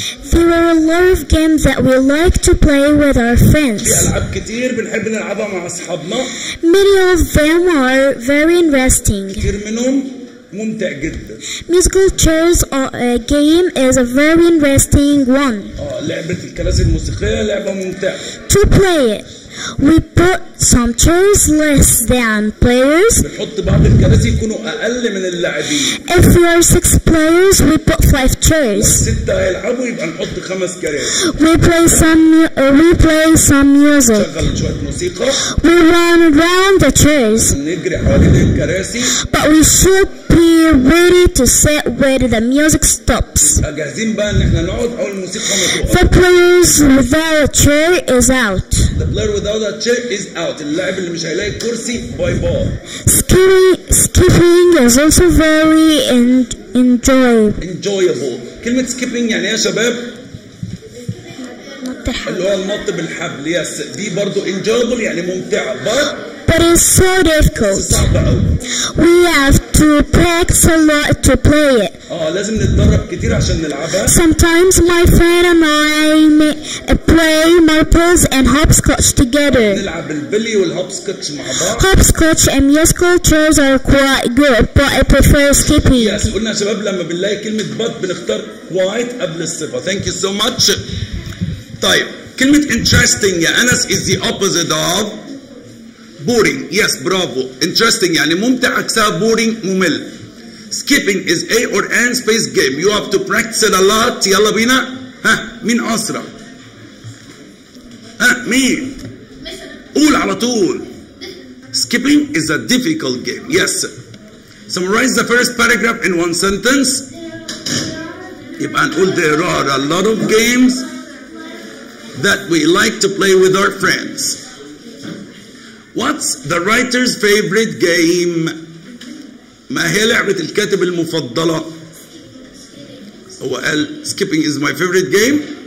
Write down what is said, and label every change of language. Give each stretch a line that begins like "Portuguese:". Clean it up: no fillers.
English: There are a lot of games that we like to play with our friends.
Arabic: في ألعاب كتير بنحب نلعبها مع أصحابنا.
English: Many of them are very interesting.
Arabic: كتير منهم ممتع جدا.
English: Musical chairs game is a very interesting one.
Arabic: لعبة الكراسي الموسيقية لعبة ممتعة.
English: To play it, we put some chairs less than players.
Arabic: بنحط بعض الكراسي يكونوا أقل من اللاعبين.
English: If we are 6 players, we put 5 chairs.
Arabic: ستة هيلعبوا يبقى نحط 5 كراسي.
English: We play some music.
Arabic: شغل شوية موسيقى.
English: We run around the chairs.
Arabic: نجري حوالين الكراسي.
English: But we should be ready to sit where the music stops.
Arabic: جاهزين بقى إن إحنا نقعد أول الموسيقى ما توقف.
English: The players without a chair is out. The player without a chair is out.
Arabic: اللاعب اللي مش هيلاقي كرسي باي باي.
English: Skipping is also very enjoyable.
Arabic: كلمة skipping يعني يا شباب اللي هو النط بالحبل. يس دي برضو enjoyable يعني ممتعة.
English: But it's so difficult. We have to practice a lot to play it.
Arabic: لازم نتدرب كتير عشان نلعبها.
English: Sometimes my friend and I play marbles and hopscotch together.
Arabic: نلعب البلي والهوبسكوتش مع بعض.
English: Hopscotch and musical chairs are quite good, but I prefer skipping.
Arabic: Yes, قلنا شباب لما بنلاقي كلمة but بنختار quite قبل الصفة.
English: Thank you so much.
Arabic: طيب كلمة
English: interesting يا أنس is the opposite of boring. Yes, bravo. Interesting
Arabic: يعني ممتع عكسها
English: boring ممل. skipping is A or N space game. You have to practice it a lot.
Arabic: يلا بينا. ها مين أسرع؟ ها مين؟ قول على طول.
English: Skipping is a difficult game. Yes. Summarize the first paragraph in one sentence.
Arabic: يبقى نقول
English: there are a lot of games that we like to play with our friends. What's the writer's favorite game?
Arabic: ما هي لعبة الكاتب المفضلة؟ هو قال
English: skipping is my favorite game.